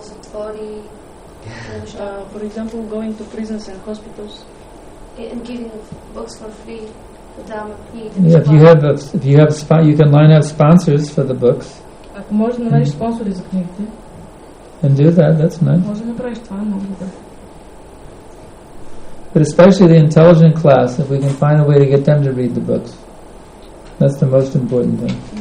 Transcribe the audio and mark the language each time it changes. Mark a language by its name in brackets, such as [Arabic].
[English] For example, going to prisons and hospitals and giving books for free. If you have you can line up sponsors for the books. [Bulgarian] Ако може да намериш спонсори за книгите. [English] And do that, that's nice. [Bulgarian] Може да направиш това, много добре. [English] But especially the intelligent class, if we can find a way to get them to read the books. That's the most important thing.